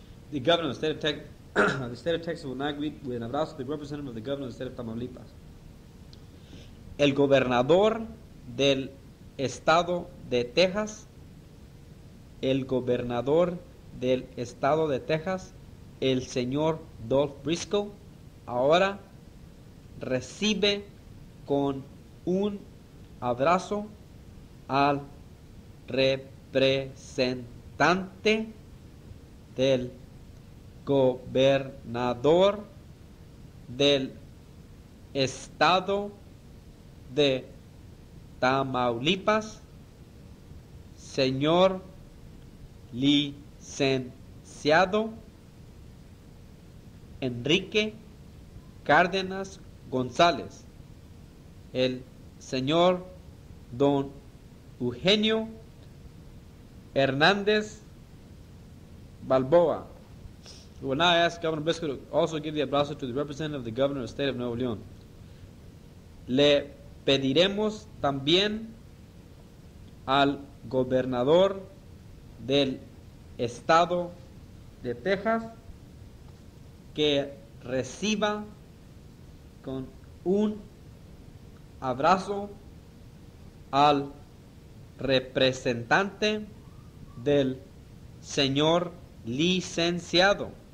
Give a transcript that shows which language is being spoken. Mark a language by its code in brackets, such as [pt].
[en] The governor of the state of Texas, the state of Texas will now greet with an abrazo the representative of the governor of the state of Tamaulipas. [es] El gobernador del estado de Texas, el señor Dolph Briscoe, ahora recibe con un abrazo al representante del gobernador del estado de Tamaulipas, señor licenciado Enrique Cárdenas González, el señor don Eugenio Hernández Balboa. [en] We will now ask Governor Biscuit to also give the abrazo to the representative of the governor of the state of Nuevo León. [es] Le pediremos también al gobernador del estado de Texas que reciba con un abrazo al representante del señor licenciado